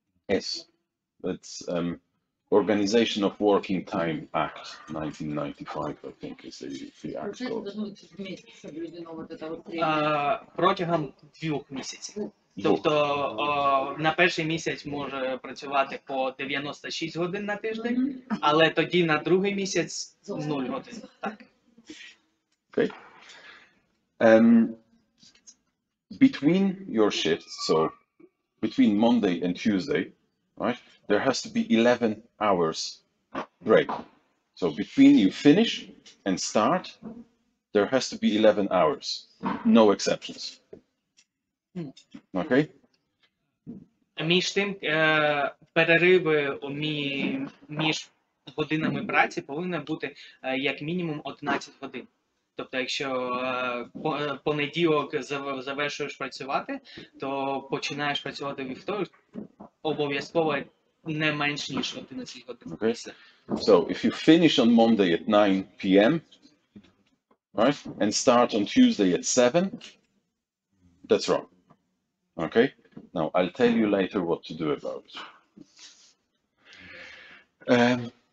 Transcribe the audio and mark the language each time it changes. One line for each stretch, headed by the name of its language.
English: Yes, that's Organization of Working Time Act 1995, I think, is the act.
Ukrainian: Протягом 2 місяців. Тобто на перший місяць може працювати по 96 годин на тиждень, але тоді на другий місяць 0 годин. Так.
English: Okay. Between your shifts, so between Monday and Tuesday, right, there has to be 11 hours break. So between you finish and start, there has to be 11 hours, no exceptions. Okay.
Ukrainian: Між тим, перериви між годинами праці повинні бути як мінімум 11 годин. Тобто, якщо понеділок завершуєш працювати, то починаєш працювати вівторок, обов'язково не менш ніж 11 годин.
English: Okay. So, if you finish on Monday at 9 p.m., right, and start on Tuesday at 7, that's wrong. Okay? Now, I'll tell you later what to do about it.